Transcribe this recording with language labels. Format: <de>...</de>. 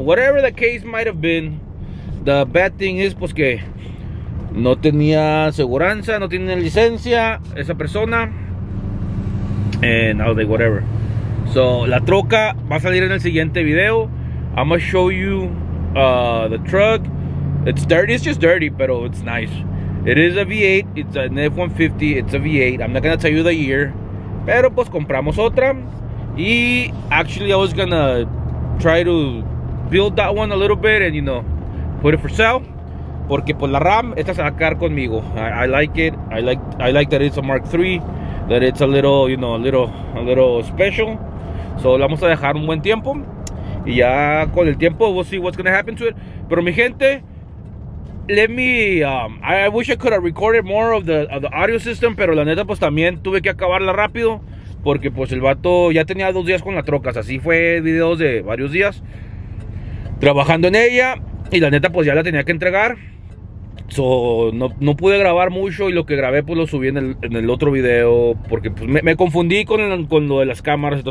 <en>Whatever the case might have been, the bad thing is,</en> <es>pues que no tenía aseguranza, no tenía licencia esa persona.</es> <en>And I was like, whatever.</en> <es>So, la troca va a salir en el siguiente video.</es> <en>I'm gonna show you the truck. It's dirty, it's just dirty, pero it's nice. It is a V8, it's an F-150, it's a V8. I'm not gonna tell you the year.</en> <es>Pero pues compramos otra. Y</es> <en>actually, I was gonna try to build that one a little bit and, you know, put it for sale.</en> <es>Porque pues la Ram, esta se va a quedar conmigo.</es> <en>I like it. I like that it's a Mark III. That it's a little, you know, a little special.</en> <es>So, la vamos a dejar un buen tiempo. Y ya con el tiempo,</es> <en>we'll see what's going to happen to it.</en> <es>Pero mi gente,</es> <en>let me, I wish I could have recorded more of the audio system.</en> <es>Pero la neta, pues también tuve que acabarla rápido. Porque pues el vato ya tenía 2 días con la troca. Así fue, videos de varios días trabajando en ella. Y la neta, pues ya la tenía que entregar. So, no pude grabar mucho y lo que grabé pues lo subí en el otro video porque pues me confundí con lo de las cámaras.</es>